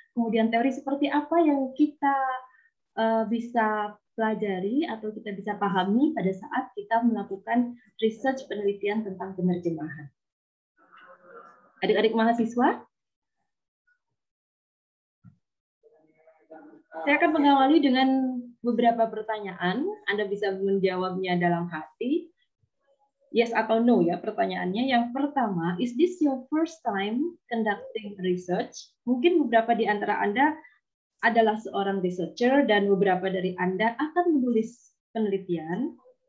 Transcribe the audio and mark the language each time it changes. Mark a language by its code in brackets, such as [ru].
[id] Kemudian teori seperti apa yang kita bisa pelajari atau kita bisa pahami pada saat kita melakukan research penelitian tentang penerjemahan? Adik-adik mahasiswa? Saya akan mengawali dengan beberapa pertanyaan. Anda bisa menjawabnya dalam hati. Yes atau no ya pertanyaannya. Yang pertama, [en] is this your first time conducting research? [id] Mungkin beberapa di antara Anda adalah seorang researcher dan beberapa dari Anda akan menulis penelitian.